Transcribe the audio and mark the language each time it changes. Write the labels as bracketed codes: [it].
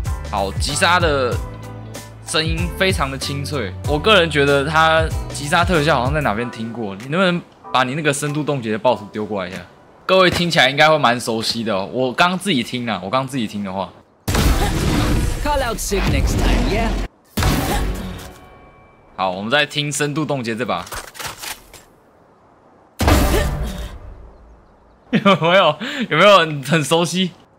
[zh] 好，击杀的。声音非常的清脆，我个人觉得他击杀特效好像在哪边听过。你能不能把你那个深度冻结的爆图丢过来一下？各位听起来应该会蛮熟悉的、哦。我刚自己听啦，我刚自己听的话。 [en] Call out sick next time, yeah. [zh] 好，我们再听深度冻结这把。有没有很熟悉？